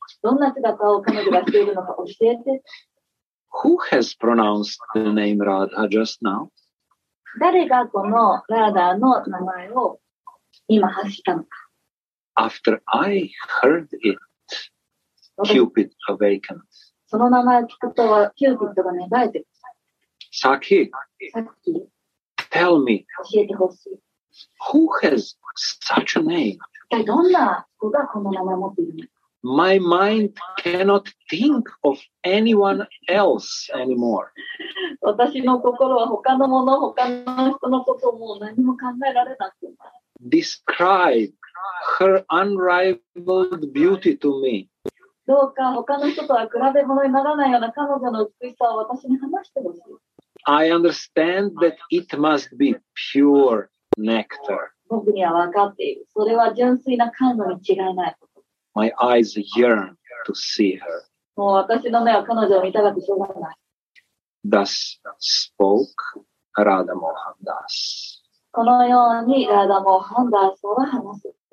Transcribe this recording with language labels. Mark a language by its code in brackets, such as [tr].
[ja] どんな姿を彼女がしているのか教えて。 [en] Who has pronounced the name Radha just now? [ja] 誰がこのラーダの名前を今発したのか。 [en] After I heard it, Cupid awakened. [ja] その名前を聞くと、キューピッドが芽生えてく [en] る。Sakhi, tell me, [ja] 教えてほしい。 [en] Who has such a name? [ja] 一体どんな子がこの名前を持っているのか。 [en] My mind cannot think of anyone else anymore. [ja] 私の心は他のもの、他の人のことをもう何も考えられなくな [en] る。Describe her unrivaled beauty to me. [ja] どうか他の人とは比べ物にならないような彼女の美しさを私に話してほしい。 [en] I understand that it must be pure nectar. [ja] 僕には分かっている。それは純粋な甘露に違いない。 [en] My eyes yearn to see her. [ja] もう私の目は彼女を見たがってしょうがない。 [en] Thus spoke Radha Mohan Das. [ja] このようにラダモハンダースは話す。